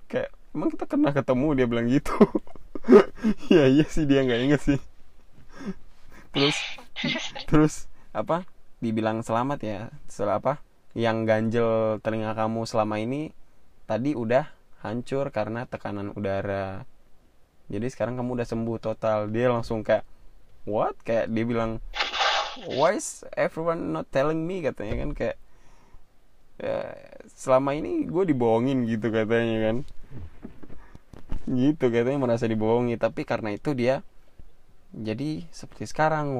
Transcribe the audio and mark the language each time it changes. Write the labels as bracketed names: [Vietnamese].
[Indonesian] Kayak, "Emang kita pernah ketemu?" dia bilang gitu. Ya iya sih, dia enggak inget sih. Terus apa? Dibilang selamat ya. Setelah apa? Yang ganjel telinga kamu selama ini tadi udah hancur karena tekanan udara. Jadi sekarang kamu udah sembuh total. Dia langsung kayak, [English] "What?" [Indonesian] Kayak dia bilang, [English] "Why is everyone not telling me?" [Indonesian] katanya kan, kayak ya, selama ini gue dibohongin gitu katanya kan. Gitu katanya merasa dibohongi. Tapi karena itu dia jadi seperti sekarang.